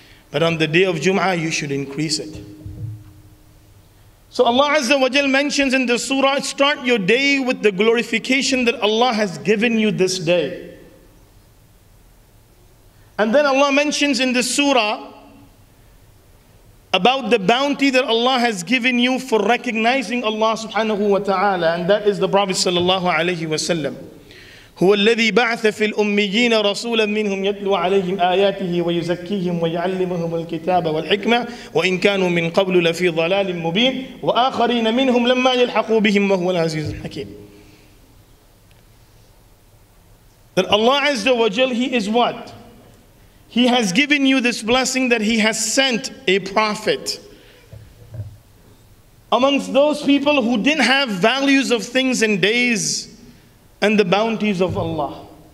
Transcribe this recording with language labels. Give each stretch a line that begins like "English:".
English: But on the day of Jum'ah you should increase it. So Allah Azza wa Jal mentions in the surah, start your day with the glorification that Allah has given you this day. And then Allah mentions in the surah about the bounty that Allah has given you for recognizing Allah subhanahu wa ta'ala, and that is the Prophet sallallahu alayhi wa sallam,
Arabic: هو الذي بعث في الأميين رسولا منهم يتلو عليهم آياته ويزكيهم ويعلمهم الكتاب والحكمة وإن كانوا من قبل لفي ضلال مبين وآخرين منهم لما يلحقوا بهم وهو العزيز الحكيم.
English: That Allah Azza wa Jal, He is what? He has given you this blessing that He has sent a prophet. Amongst those people who didn't have values of things and days and the bounties of Allah.